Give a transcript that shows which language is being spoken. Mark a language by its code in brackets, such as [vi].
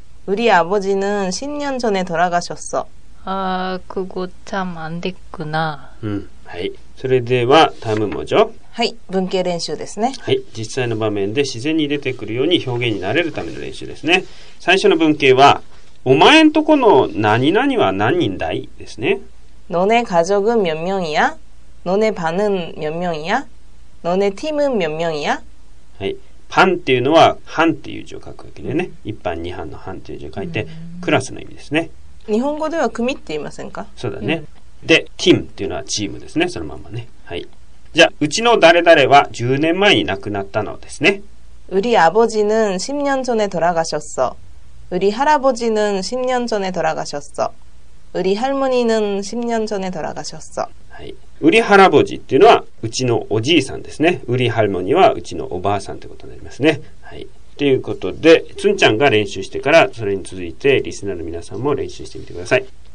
[ko] 우리아버지는10년전에돌아가셨어。 아、그거참안됐구나。 [ja] はい、それではタイムもじゃ。はい、文型練習ですね。はい、実際の場面で自然に出てくるように表現になれるための練習ですね。最初の文型は、お前んとこの何々は何人だいですね。 [ko] 너네가족은몇명이야？ 너네반은몇명이야？ 너네팀은몇명이야？ [ja] はい、班っていうのは班っていう字を書くわけでね、一班二班の班っていう字を書いて、クラスの意味ですね。日本語では組って言いませんか？そうだね、うん、で、チームっていうのはチームですね、そのままね。はい、じゃあうちの誰々は10年前に亡くなったのですね。 [ko] 우리아버지는10년전에돌아가셨어。 우리할아버지는10년전에돌아가셨어。 우리할머니는10년전에돌아가셨어。 [ja] はい。 우리할아버지っていうのはうちのおじいさんですね。우리할머니はうちのおばあさんということになりますね。はい。ということで、つんちゃんが練習してからそれに続いてリスナーの皆さんも練習してみてください。